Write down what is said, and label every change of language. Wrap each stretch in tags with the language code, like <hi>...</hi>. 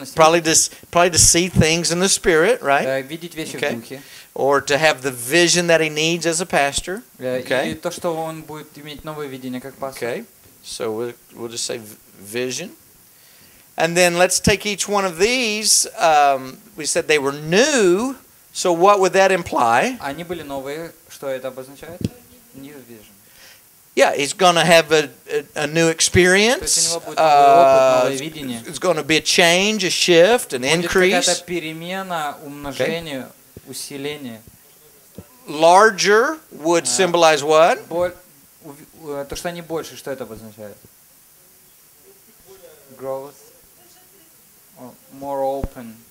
<en>Probably to see things in the spirit, right?</en> <ru>Видеть вещи</ru> <en>okay.</en> <ru>в духе.</ru> <en>Or to have the vision that he needs as a pastor. Okay.</en> <ru>И то, что он будет иметь новое видение как пастор.</ru> <en>Okay. So we'll just say vision. And then let's take each one of these. We said they were new. So what would that imply?</en> <ru>Они были новые. Что это обозначает?</ru> <en>New vision. Yeah, he's going to have a new experience. It's going to be a change, a shift, an increase.</en> <ru>Будет какая-то перемена, умножение, усиление.</ru> <en>Larger would symbolize what?</en> <ru>То, что они больше, что это обозначает?</ru> <en>Growth. More open.</en>